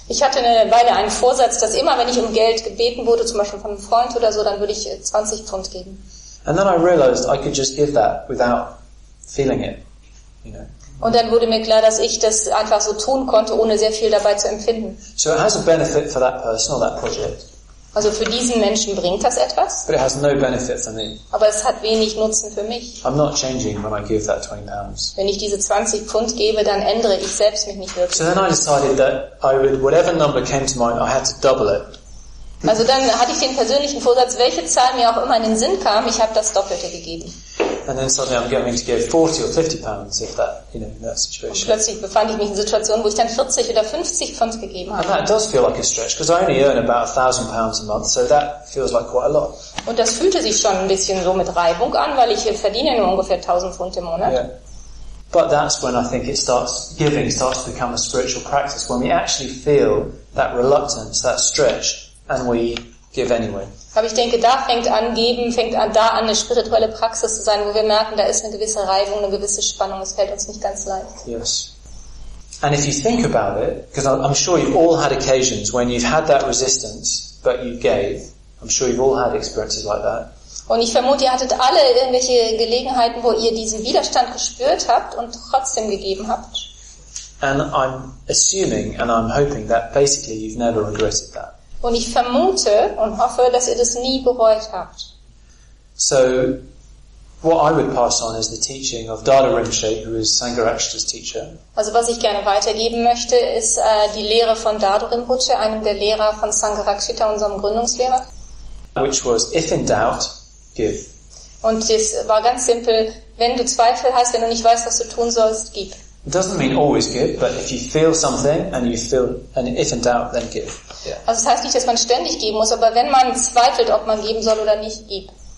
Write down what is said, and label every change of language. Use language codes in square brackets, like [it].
[de] Ich hatte eine Weile einen Vorsatz, dass immer, wenn ich um Geld gebeten wurde, zum Beispiel von einem Freund oder so, dann würde ich 20 Pfund geben. [en] And then I realized I could just give that without feeling it, you know. [de] Und dann wurde mir klar, dass ich das einfach so tun konnte, ohne sehr viel dabei zu empfinden. [en] So it has a benefit for that person or that project. [de] Also für diesen Menschen bringt das etwas. [en] But it has no benefit for me. [de] Aber es hat wenig Nutzen für mich. [en] I'm not changing when I give that 20 pounds. [de] Wenn ich diese 20 Pfund gebe, dann ändere ich selbst mich nicht wirklich. [en] So then I decided that I would, whatever number came to mind, I had to double it. [de] Also dann hatte ich den persönlichen Vorsatz, welche Zahl mir auch immer in den Sinn kam, ich habe das Doppelte gegeben. [en] And then suddenly I'm going to give 40 or 50 pounds if that, you know, in that situation. [de] Und plötzlich befand ich mich in Situationen, wo ich dann 40 oder 50 Pfund gegeben habe. [en] And that does feel like a stretch, because I only earn about £1,000 a month, so that feels like quite a lot. [de] Und das fühlte sich schon ein bisschen so mit Reibung an, weil ich verdiene nur ungefähr 1000 Pfund im Monat. [en] Yeah. But that's when I think it starts, giving starts to become a spiritual practice, when we actually feel that reluctance, that stretch, and we give anyway. [de] Aber ich denke, da fängt an, geben, fängt an, da an, eine spirituelle Praxis zu sein, wo wir merken, da ist eine gewisse Reibung, eine gewisse Spannung, es fällt uns nicht ganz leicht. [en] Yes. And if you think about it, because I'm sure you've all had occasions when you've had that resistance, but you gave. I'm sure you've all had experiences like that. [de] Und ich vermute, ihr hattet alle irgendwelche Gelegenheiten, wo ihr diesen Widerstand gespürt habt und trotzdem gegeben habt. [en] And I'm assuming and I'm hoping that basically you've never regretted that. [de] Und ich vermute und hoffe, dass ihr das nie bereut habt. [en] So, what I would pass on is the teaching of Dada Rinpoche, who is Sangharakshita's teacher. [de] Also, was ich gerne weitergeben möchte, ist die Lehre von Dada Rinpoche, einem der Lehrer von Sangharakshita, unserem Gründungslehrer. [en] Which was, if in doubt, give. [de] Und es war ganz simpel, wenn du Zweifel hast, wenn du nicht weißt, was du tun sollst, gib. [en] It doesn't mean always give, but if you feel something and you feel, and if in doubt, then give. Yeah. [de] Also, das heißt nicht, dass man ständig geben muss, aber wenn man zweifelt, ob man geben soll oder nicht, gib.